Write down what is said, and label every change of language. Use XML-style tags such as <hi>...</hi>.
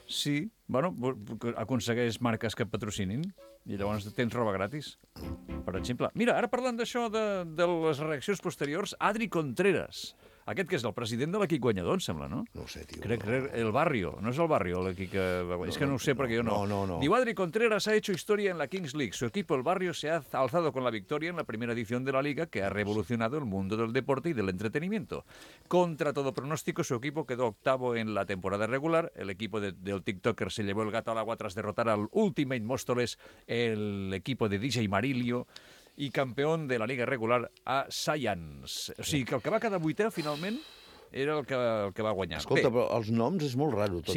<ca>Sí. Bueno, aconsegueix marques que patrocinin. I llavors tens roba gratis, per exemple. Mira, ara parlant d'això, de les reaccions posteriors, Adri Contreras... Aquest que és el president de l'equip guanyador, em sembla, no? No ho sé, tio. Crec el barrio. No és el barrio, l'equip que... És que no ho sé, perquè jo no. No.</ca> <es>Diu Adri Contreras ha hecho historia en la Kings League. Su equipo, el barrio, se ha alzado con la victoria en la primera edición de la liga que ha revolucionado el mundo del deporte y del entretenimiento. Contra todo pronóstico, su equipo quedó octavo en la temporada regular. El equipo del TikToker se llevó el gato al agua tras derrotar al Ultimate Móstoles, el equipo de DJ Marilio, i campeón de la Liga Regular a Saiyans.</es> <ca>O sigui, que el que va quedar vuitè, finalment, era el que va guanyar. Escolta, però els noms és molt raro, tots</ca>